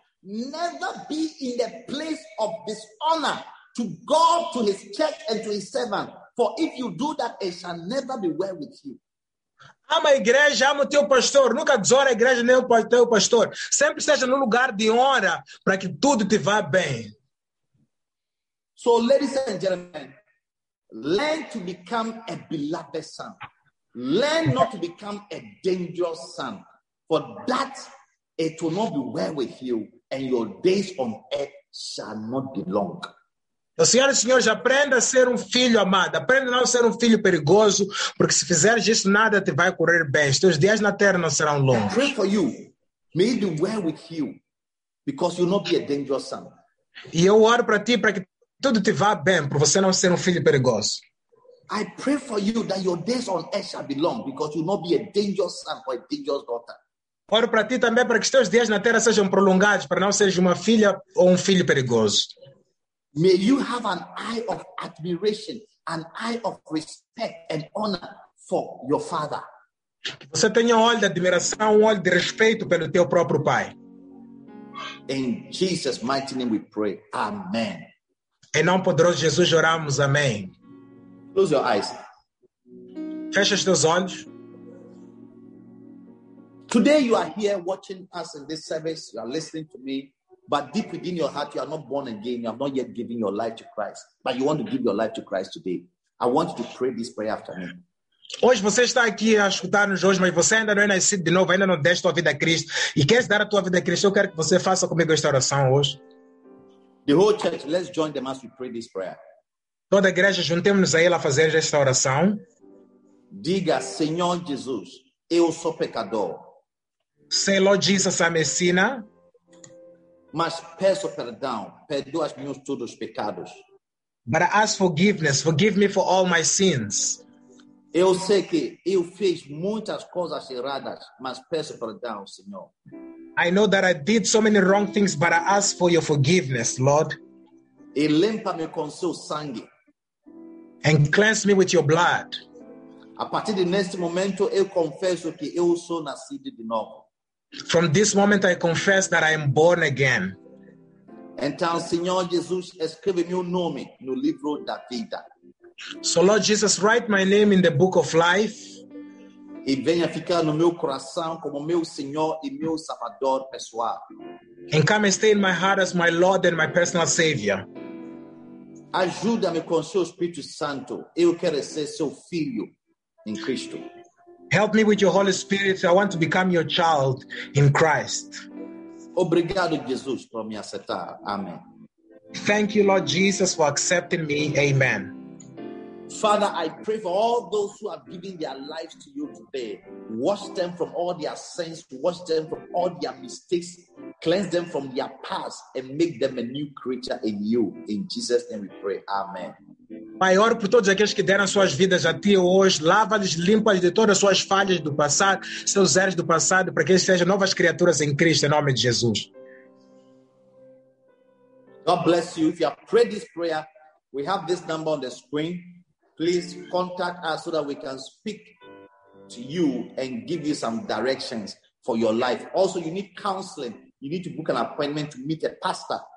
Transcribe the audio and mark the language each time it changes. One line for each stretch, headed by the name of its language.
English: Never be in the place of dishonor to God, to his church, and to his servant. For if you do that, it shall never be well with you.
Portuguese: Ama a igreja, ama o teu pastor. Nunca desonra a igreja nem o teu pastor. Sempre seja no lugar de honra para que tudo te vá bem.
English: So, ladies and gentlemen, learn to become a beloved son. Learn not to become a dangerous son. For that, it will not be well with you. And your days on earth shall not be long.
Portuguese: Senhoras e senhores, aprenda a ser filho amado. Aprenda a não ser filho perigoso, porque se fizeres isso, nada te vai correr bem. Os teus dias na terra não serão longos.
English: I pray for you. May it be well with you, because you'll not be a dangerous son.
Portuguese: E eu oro para ti, para que tudo te vá bem, para você não ser filho perigoso.
English: I pray for you that your days on earth shall be long, because you'll not be a dangerous son or a dangerous daughter.
Portuguese: Oro para ti também, para que os teus dias na terra sejam prolongados, para não seres uma filha ou filho perigoso.
English: May you have an eye of admiration, an eye of respect and honor for your father.
Portuguese: Que você tenha olho de admiração, olho de respeito pelo teu próprio pai.
English: In Jesus' mighty name we pray, amen.
Portuguese: Em nome poderoso de Jesus oramos, amém.
English: Close your eyes.
Portuguese: Fecha os teus olhos.
English: Today you are here watching us in this service, you are listening to me, but deep within your heart you are not born again, you have not yet given your life to Christ, but you want to give your life to Christ today. I want you to pray this prayer after me.
Portuguese: Hoje você está aqui a escutar-nos hoje, mas você ainda não é nascido de novo, ainda não deste tua vida a Cristo, e queres dar a tua vida a Cristo, eu quero que você faça comigo esta oração hoje.
English: The whole church, let's join them as we pray this prayer.
Portuguese: Toda a igreja, juntemos-nos a ela a fazer esta oração. Diga, Senhor Jesus, eu sou pecador.
English: Say, Lord Jesus, I'm a sinner.
Portuguese: Mas peço perdão, perdoa-me todos os pecados.
English: But I ask forgiveness, forgive me for all my sins.
Portuguese: Eu sei que eu fiz muitas coisas erradas, mas peço perdão, Senhor.
English: I know that I did so many wrong things, but I ask for your forgiveness, Lord.
Portuguese: E limpa-me com seu sangue.
English: And cleanse me with your blood.
Portuguese: A partir de neste momento, eu confesso que eu sou nascido de novo.
English: From this moment, I confess that I am born again.
Portuguese: Então, Senhor Jesus, escreve meu nome no livro da vida.
English: So, Lord Jesus, write my name in the book of life.
Portuguese: E venha ficar no meu coração como meu Senhor e meu Salvador pessoal.
English: And come and stay in my heart as my Lord and my personal Savior.
Portuguese: Ajuda-me com seu Espírito Santo. Eu quero ser seu filho em Cristo.
English: Help me with your Holy Spirit. I want to become your child in Christ.
Portuguese: Obrigado, Jesus, por me aceitar. Amen.
English: Thank you, Lord Jesus, for accepting me. Amen. Father, I pray for all those who have given their lives to you today. Wash them from all their sins. Wash them from all their mistakes. Cleanse them from their past and make them a new creature in you. In Jesus' name we pray. Amen.
Portuguese: Pai, oro por todos aqueles que deram suas vidas a Ti hoje. Lava-lhes, limpa-lhes de todas as suas falhas do passado, seus erros do passado, para que eles sejam novas criaturas em Cristo, em nome de Jesus.
English: God bless you. If you have prayed this prayer, we have this number on the screen. Please contact us so that we can speak to you and give you some directions for your life. Also, you need counseling. You need to book an appointment to meet a pastor.